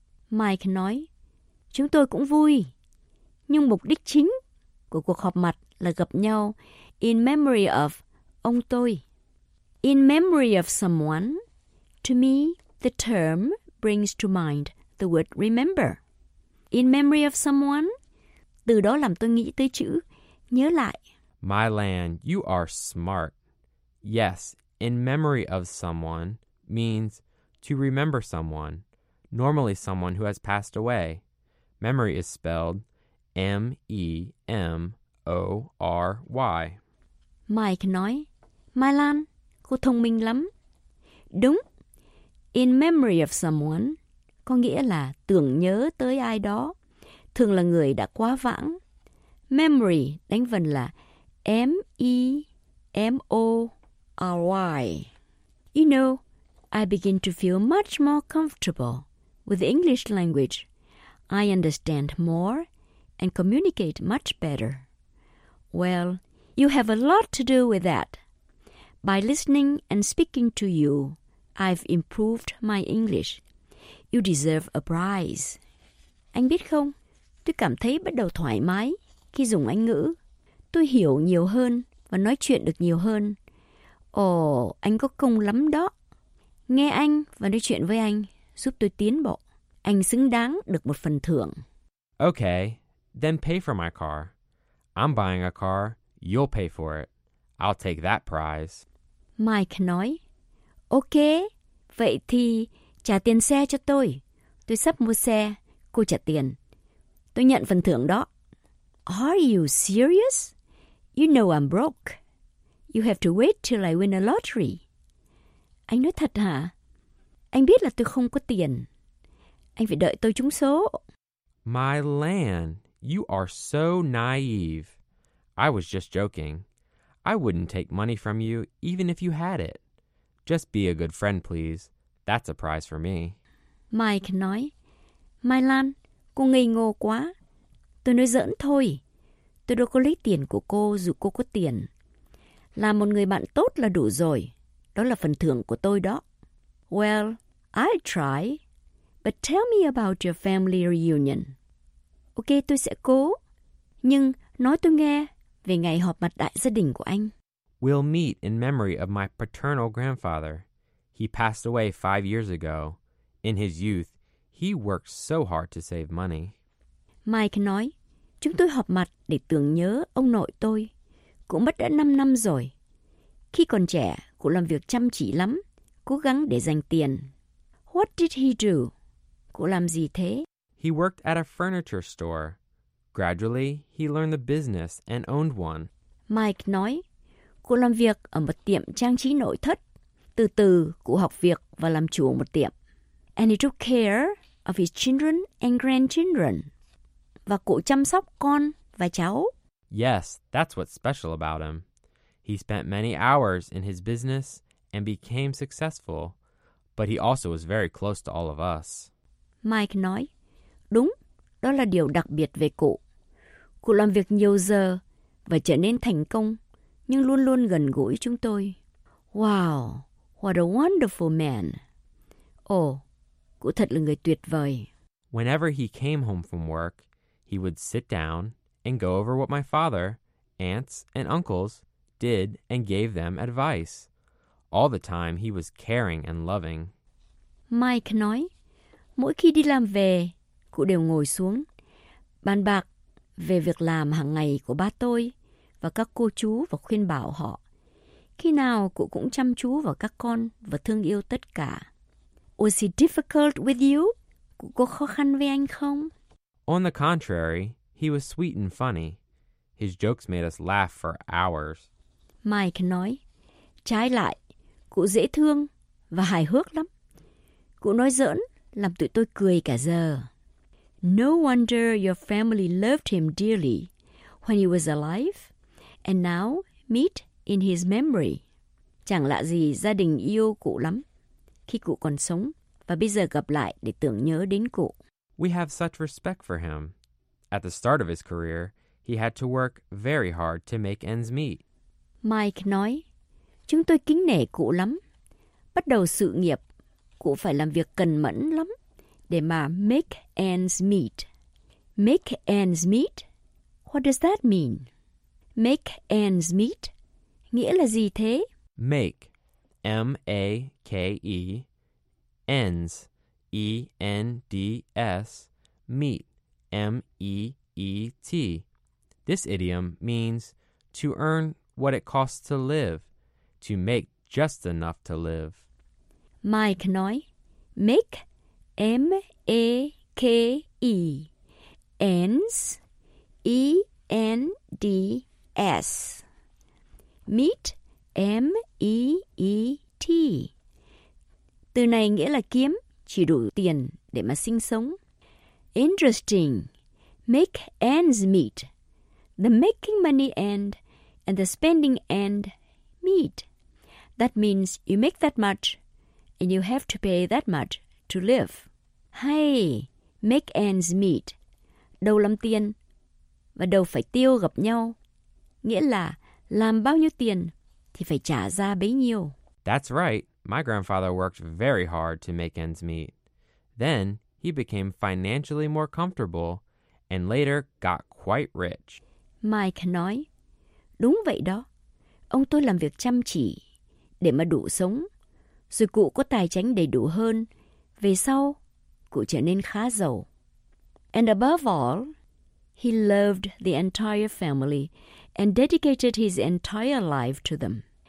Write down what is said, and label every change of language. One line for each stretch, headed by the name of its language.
Vietnamese: Mike nói, Chúng tôi cũng vui, nhưng mục đích chính của cuộc họp mặt là gặp nhau
English: in memory of
Vietnamese: ông tôi.
English: In memory of someone, to me, the term brings to mind the word remember. In memory of someone,
Vietnamese: từ đó làm tôi nghĩ tới chữ nhớ lại.
English: My land, you are smart. Yes, in memory of someone means to remember someone, normally someone who has passed away. Memory is spelled M-E-M-O-R-Y.
Vietnamese: Mike nói, My land, cô thông minh lắm. Đúng,
English: in memory of someone
Vietnamese: có nghĩa là tưởng nhớ tới ai đó, thường là người đã quá vãng. Memory đánh vần là M-E-M-O-R-Y.
English: You know, I begin to feel much more comfortable with the English language. I understand more and communicate much better. Well, you have a lot to do with that. By listening and speaking to you, I've improved my English. You deserve a prize.
Vietnamese: Anh biết không, tôi cảm thấy bắt đầu thoải mái khi dùng Anh ngữ. Tôi hiểu nhiều hơn và nói chuyện được nhiều hơn. Ồ, anh có công lắm đó. Nghe anh và nói chuyện với anh giúp tôi tiến bộ. Anh xứng đáng được một phần thưởng.
English: Okay, then pay for my car. I'm buying a car, you'll pay for it. I'll take that prize.
Vietnamese: Mike nói, OK, vậy thì trả tiền xe cho tôi. Tôi sắp mua xe, cô trả tiền. Tôi nhận phần thưởng đó.
English: Are you serious? You know I'm broke. You have to wait till I win a lottery.
Vietnamese: Anh nói thật hả? Anh biết là tôi không có tiền. Anh phải đợi tôi trúng số.
English: My land, you are so naive. I was just joking. I wouldn't take money from you, even if you had it. Just be a good friend, please. That's a prize for me.
Vietnamese: Mike nói, My Lan, cô ngây ngô quá. Tôi nói giỡn thôi. Tôi đâu có lấy tiền của cô dù cô có tiền. Làm một người bạn tốt là đủ rồi. Đó là phần thưởng của tôi đó.
English: Well, I try. But tell me about your family reunion.
Vietnamese: Ok, tôi sẽ cố. Nhưng nói tôi nghe về ngày họp mặt đại gia đình của anh.
English: We'll meet in memory of my paternal grandfather. He passed away 5 years ago. In his youth, he worked so hard to save money.
Vietnamese: Mike nói, chúng tôi họp mặt để tưởng nhớ ông nội tôi. Cũng mất đã 5 năm rồi. Khi còn trẻ, cụ làm việc chăm chỉ lắm, cố gắng để dành tiền.
English: What did he do?
Vietnamese: Cụ làm gì thế?
English: He worked at a furniture store. Gradually, he learned the business and owned one.
Vietnamese: Mike nói, cụ làm việc ở một tiệm trang trí nội thất. Từ từ, cụ học việc và làm chủ một tiệm.
English: And he took care of his children and grandchildren.
Vietnamese: Và cụ chăm sóc con và cháu.
English: Yes, that's what's special about him. He spent many hours in his business and became successful. But he also was very close to all of us.
Vietnamese: Mike nói, đúng, đó là điều đặc biệt về cụ. Cụ làm việc nhiều giờ và trở nên thành công, nhưng luôn luôn gần gũi chúng tôi.
English: Wow, what a wonderful man.
Vietnamese: Oh, cụ thật là người tuyệt vời.
English: Whenever he came home from work, he would sit down and go over what my father, aunts, and uncles did and gave them advice. All the time, he was caring and loving.
Vietnamese: Mike nói, mỗi khi đi làm về, cụ đều ngồi xuống, bàn bạc về việc làm hàng ngày của ba tôi và các cô chú và khuyên bảo họ. Khi nào, cụ cũng chăm chú vào các con và thương yêu tất cả.
English: Was he difficult with you?
Vietnamese: Cụ có khó khăn với anh không?
English: On the contrary, he was sweet and funny. His jokes made us laugh for hours.
Vietnamese: Mike nói, trái lại, cụ dễ thương và hài hước lắm. Cụ nói giỡn, làm tụi tôi cười cả giờ.
English: No wonder your family loved him dearly when he was alive and now meet in his memory.
Vietnamese: Chẳng lạ gì gia đình yêu cụ lắm khi cụ còn sống và bây giờ gặp lại để tưởng nhớ đến cụ.
English: We have such respect for him. At the start of his career, he had to work very hard to make ends meet.
Vietnamese: Mike nói, chúng tôi kính nể cụ lắm. Bắt đầu sự nghiệp, cụ phải làm việc cần mẫn lắm để mà
English: make ends meet. Make ends meet? What does that mean? Make ends meet?
Vietnamese: Nghĩa là gì thế?
English: Make. M-A-K-E. Ends. E-N-D-S. Meet. M-E-E-T. This idiom means to earn what it costs to live. To make just enough to live.
Vietnamese: Mike nói,
English: make, M-A-K-E, ends, E-N-D-S, meet, M-E-E-T.
Vietnamese: Từ này nghĩa là kiếm, chỉ đủ tiền để mà sinh sống.
English: Interesting, make ends meet. The making money end and the spending end meet. That means you make that much, and you have to pay that much to live. Hey, make ends meet.
Vietnamese: Đầu làm tiền và đầu phải tiêu gặp nhau. Nghĩa là làm bao nhiêu tiền thì phải trả ra bấy nhiêu.
English: That's right. My grandfather worked very hard to make ends meet. Then he became financially more comfortable and later got quite rich.
Vietnamese: Mike nói, đúng vậy đó. Ông tôi làm việc chăm chỉ. Để mà đủ sống, rồi cụ có tài chính đầy đủ hơn. Về sau, cụ trở nên khá giàu.
English: And above all, he loved the entire family and dedicated his entire life to them.